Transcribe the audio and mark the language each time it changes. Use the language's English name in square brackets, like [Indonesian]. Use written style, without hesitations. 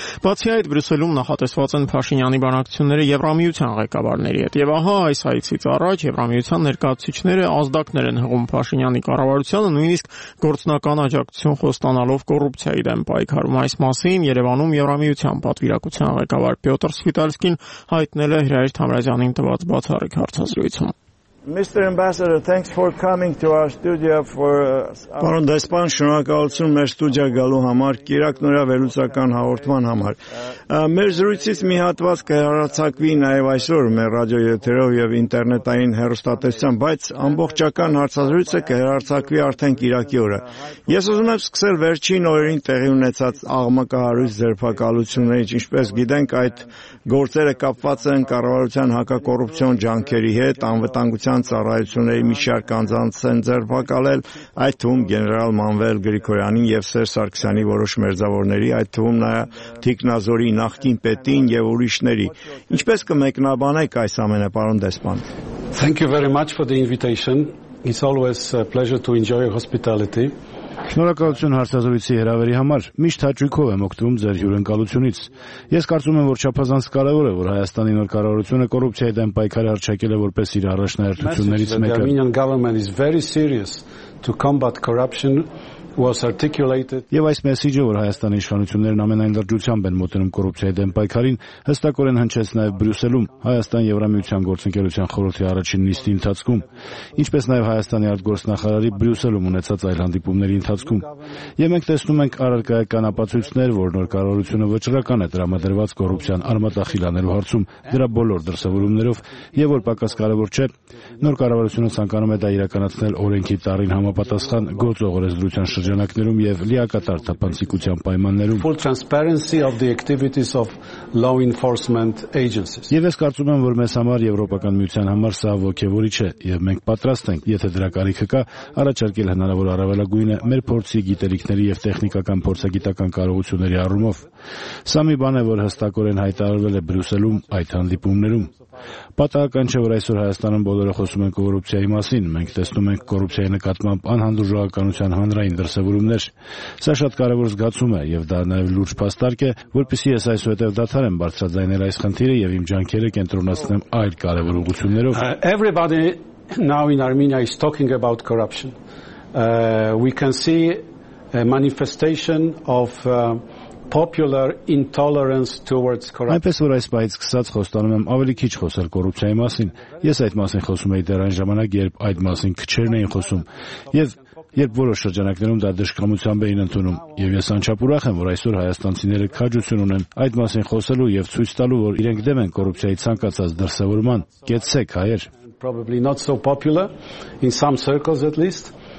[Armenian] Բացի այդ, Բրյուսելում նախատեսված են Փաշինյանի բանակցությունները Եվրամիության ղեկավարների հետ, և ահա այս հայցից առաջ Եվրամիության ներկայացուցիչները ազդակներ են հղում Փաշինյանի կառավարությանը, նույնիսկ գործնական աջակցություն խոստանալով կոռուպցիայի դեմ պայքարում։ Այս մասին Երևանում Եռամիության պատվիրակության ղեկավար Պյոտր Սպիտալսկին հայտնել է Հրայր Թամրազյանին տված բացառիկ հարցազրույցում։ [English] Mr. Ambassador, thanks for coming to our studio for [Armenian] Պարոն դեսպան, շնորհակալություն մեր ստուդիա գալու համար, կերակնորյավելուսական հաղորդման համար։ Մեր զրույցից մի հատված կհեռարձակվի նաև այսօր մեր ռադիոյեթերով եւ ինտերնետային հեռուստատեսությամբ, բայց ամբողջական հարցազրույցը կհեռարձակվի արդեն կիրակի օրը։ Ես ուզում եմ սկսել վերջին օրերին տեղի ունեցած աղմկահարույց ձերբակալություններից, ինչպես գիտենք, այդ գործերը կապված են կառավարության հակակոռուպցիոն ջանքերի հետ, անվտանգ ծառայությունների միջակայք անձանց են ձերբակալել, այդ թվում գեներալ Մանվել Գրիգորյանին եւ Սերժ Սարգսյանի որոշ մերձավորների, այդ թվում նա Թիկնազորի նախկին պետին եւ ուրիշների։ Ինչպես կմեկնաբանեք այս ամենը, պարոն դեսպան? [English] Thank you very much for the invitation. It's always a pleasure to enjoy your hospitality. [Armenian] Շնորհակալություն հարցազրույցի հրավերի համար։ Միշտ հաճույքով եմ օգտվում ձեր հյուրընկալությունից։ Ես կարծում եմ, որ չափազանց կարևոր է, որ Հայաստանի նոր կառավարությունը կոռուպցիայի դեմ պայքարը հարձակել է որպես իր առաջնահերթություններից մեկը։ Եվ այս մեսիջը, որ Հայաստանի իշխանություններն ամենայն լրջությամբ են մոտենում կոռուպցիայի դեմ պայքարին, հստակորեն հնչեց նաև Բրյուսելում Հայաստան-Եվրամիության գործընկերության խորհրդի առաջին նիստի ընթացքում, ինչպես նաև Հայաստանի արտգործնախարարի Բրյուսելում ունեցած այլ հանդիպումների ընթացքում։ Եվ մենք տեսնում ենք առարկայական ապացույցներ, որ նոր կառավարությունը վճռական է դրամադրված կոռուպցիան արմատախիլանելու հարցում դրա բոլոր դրսևորումներով, եւ որ պակաս կարևոր չէ, նոր կառավարությունը ցանկանում է դա իրականացնել օրենքի տարին համապատասխան գործողորեզդրության շրջանակներում եւ լիակատար թափանցիկության պայմաններում։ [English] Full transparency of the activities of law enforcement agencies. [Armenian] Եվ ես կարծում եմ, որ մեզ համար, Եվրոպական միության համար, սա ոգևորիչ է, եւ մենք պատրաստ ենք, եթե դրա կարիքը կա, առաջարկել հնարավոր առավելագույն մեր փորձի գիտելիքների եւ տեխնիկական փորձագիտական կարողությունների առումով։ Սա մի բան է, որ հստակորեն հայտարարվել է Բրյուսելում այդ հանդիպումներում։ Պատահական չէ, որ այսօր Հայաստանում բոլորը խոսում են կոռուպցիայի մասին, մենք տեսնում ենք կոռուպցիայի նկատմամբ անհանդուրժողականության հանրային դրսևորումներ։ Սա շատ կարևոր զգացում է եւ դա նաեւ լուրջ փաստարկ է, որպեսզի ես այսուհետեւ դադարեմ բարձրաձայնել այս խնդիրը եւ իմ ջանքերը կենտրոնացնեմ այլ կարևոր ուղղություններով։ [English] Everybody now in Armenia is talking about corruption. We can see a manifestation of popular intolerance towards corruption. [Armenian] Այնպես որ այս պահից սկսած խոստանում եմ ավելի քիչ խոսել կոռուպցիայի մասին։ Ես այդ մասին խոսում եի դեռ այն ժամանակ, երբ այդ մասին քչերն էին խոսում, եւ երբ որոշ շրջանակներում դա դժկամությամբ էին ընդունում, եւ ես անչափ ուրախ եմ, որ այսօր հայաստանցիները քաջություն ունեն այդ մասին խոսելու եւ ցույց տալու, որ իրենք դեմ են կոռուպցիայի ցանկացած դրսևորման։ Կեցեք, հայեր։ [English] Probably not so popular in some circles at least.